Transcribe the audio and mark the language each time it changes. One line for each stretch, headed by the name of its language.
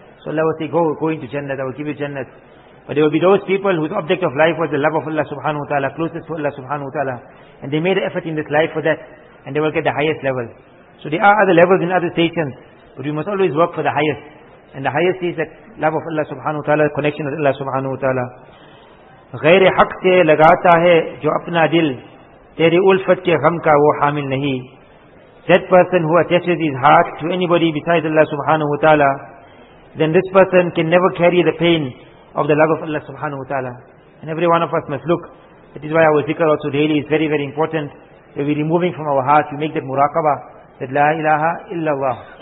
English: So Allah will say, go into Jannat, I will give you Jannat. But there will be those people whose object of life was the love of Allah subhanahu wa ta'ala, closest to Allah subhanahu wa ta'ala. And they made an effort in this life for that, and they will get the highest level. So there are other levels in other stations, but we must always work for the highest. And the highest is the love of Allah subhanahu wa ta'ala, the connection with Allah subhanahu wa ta'ala.
Urdu: غیر حق سے لگاتا ہے جو اپنا دل تیرے الفت کے غم کا وہ حامل نہیں.
English: That person who attaches his heart to anybody besides Allah subhanahu wa ta'ala, then this person can never carry the pain of the love of Allah subhanahu wa ta'ala. And every one of us must look. That is why our zikr also daily is very, very important. That we are removing from our heart, we make that muraqabah, that la ilaha illallah.